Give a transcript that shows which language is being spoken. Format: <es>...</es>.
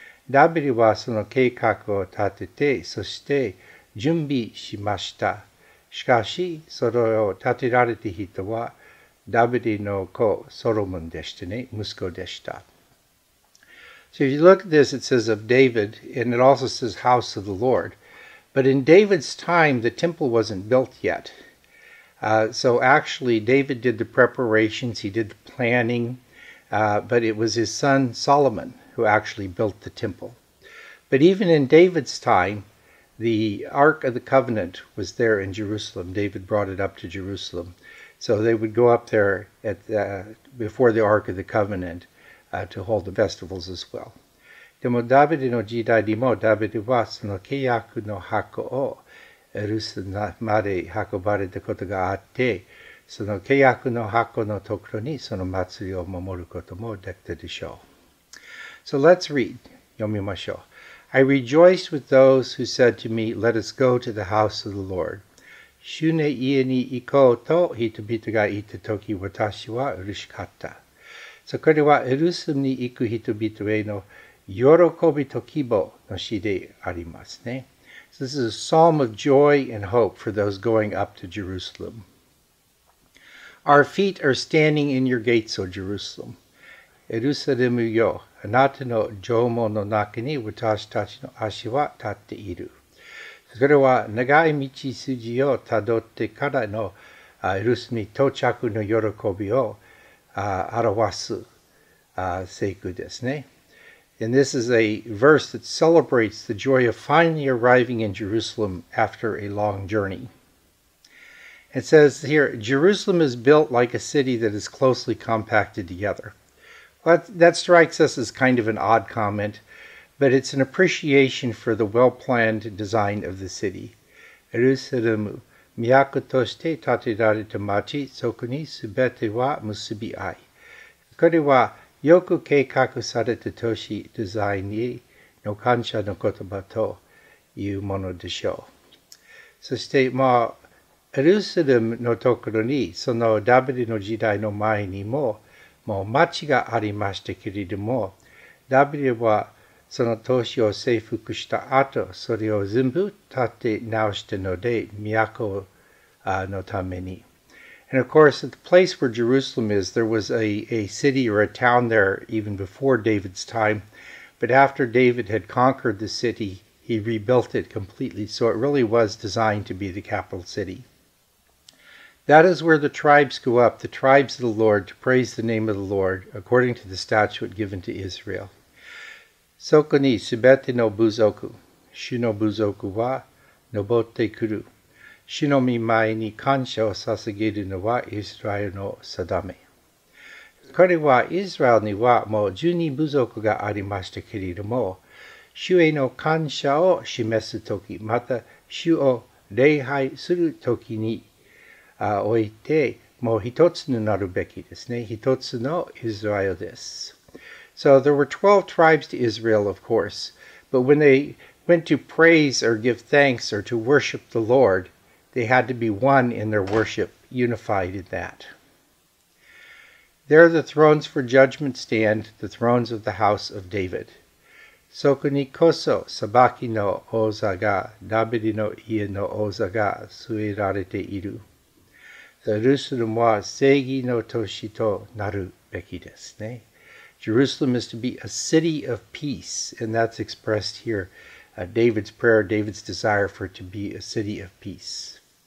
<ja>ダビデはその計画を立てて、そして準備しました。しかし、それを立てられた人は、ダビデの子、ソロモンでしたね、息子でした。</ja> <en>So if you look at this, it says of David, and it also says house of the Lord. But in David's time, the temple wasn't built yet. So actually, David did the preparations, he did the planning, but it was his son Solomon who actually built the temple. But even in David's time, the Ark of the Covenant was there in Jerusalem. David brought it up to Jerusalem. So they would go up there at before the Ark of the Covenant. To hold the festivals as well.</en> <ja>でもダビデの時代でもダビデはその契約の箱をエルサレムまで運ばれたことがあって、その契約の箱のところにその祭りを守ることもできたでしょう。</ja> <en>So let's read.</en> <ja>読みましょう。</ja> <en>I rejoiced with those who said to me, Let us go to the house of the Lord.</en> <ja>主の家に行こうと人々が言った時、私は嬉しかった。そこではエルサレムに行く人々への喜びと希望の詩でありますね。</ja> <en>So、this is a psalm of joy and hope for those going up to Jerusalem. Our feet are standing in your gates, O Jerusalem.</en> <ja>エルサレムよ、あなたの城門の中に私たちの足は立っている。それは長い道筋をたどってからのエルサレムに到着の喜びを表す聖句ですね。</ja> <en>And this is a verse that celebrates the joy of finally arriving in Jerusalem after a long journey. It says here, Jerusalem is built like a city that is closely compacted together. Well, that strikes us as kind of an odd comment, but it's an appreciation for the well-planned design of the city.</en> <ja>Jerusalem, 都として建てられた町、そこにすべては結び合い。これはよく計画された都市デザインの感謝の言葉というものでしょう。そして、まあ、エルサレムのところに、そのダビデの時代の前にも、もう町がありましたけれども、ダビデはその都市を征服した後、それを全部建て直したので、都のために。</ja> <en>And of course, at the place where Jerusalem is, there was a city or a town there even before David's time. But after David had conquered the city, he rebuilt it completely. So it really was designed to be the capital city. That is where the tribes go up, the tribes of the Lord, to praise the name of the Lord, according to the statute given to Israel.</en> <ja>そこにすべての部族、主の部族は登ってくる。主の御前に感謝を捧げるのはイスラエルの定め。これはイスラエルにはもう十二部族がありましたけれども、主への感謝を示すとき、また主を礼拝するときにおいて、もう一つになるべきですね。一つのイスラエルです。</ja> <en>So there were 12 tribes to Israel, of course, but when they went to praise or give thanks or to worship the Lord, they had to be one in their worship, unified in that. There the thrones for judgment stand, the thrones of the house of David.</en> <ja>そこにこそ裁きの座が、ダビデの家の座が据えられている。エルサレムは正義の都市となるべきですね。</ja> <en>Jerusalem is to be a city of peace, and that's expressed here, David's prayer, David's desire for it to be a city of peace.</en>